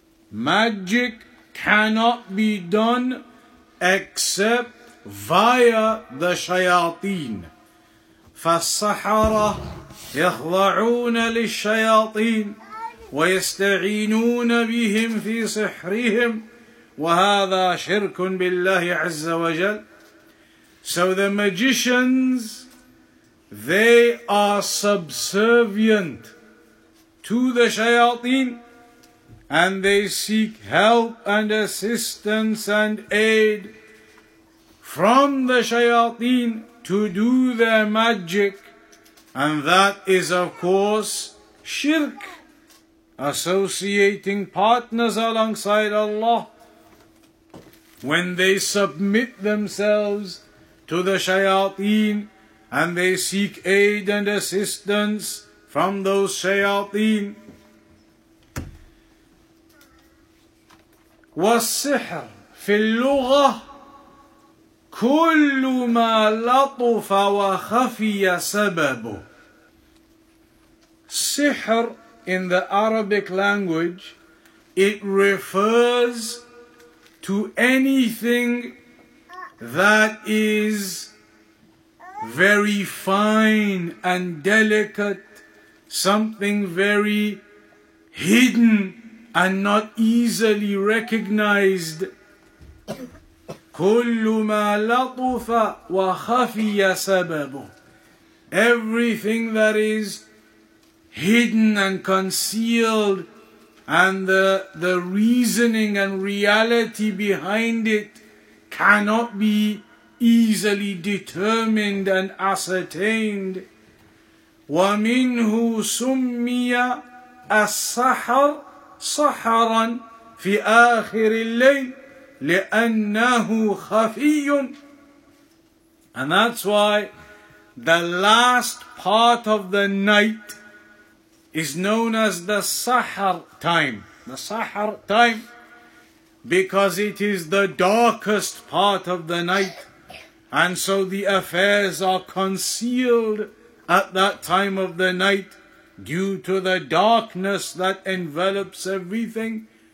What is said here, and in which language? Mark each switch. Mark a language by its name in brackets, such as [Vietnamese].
[English] Magic cannot be done except via the shayateen. [Arabic] فالسحرة يخضعون للشياطين ويستعينون بهم في سحرهم وهذا شرك بالله عز وجل. [English] So the magicians, they are subservient to the shayateen and they seek help and assistance and aid from the shayateen to do their magic, and that is of course shirk, associating partners alongside Allah when they submit themselves to the shayateen and they seek aid and assistance from those shayateen. [Arabic] والسحر في اللغة كل ما لطف وخفي سببه. [English] Sihr in the Arabic language, it refers to anything that is very fine and delicate, something very hidden and not easily recognized. [Arabic] كل ما لطف وخفي سببه. [English] Everything that is hidden and concealed and the reasoning and reality behind it cannot be easily determined and ascertained. [Arabic] ومنه سمي السحر سحرا في آخر الليل لِأَنَّهُ خَفِيٌّ. [English] And that's why the last part of the night is known as the Sahar time. The Sahar time, because it is the darkest part of the night, and so the affairs are concealed at that time of the night due to the darkness that envelops everything.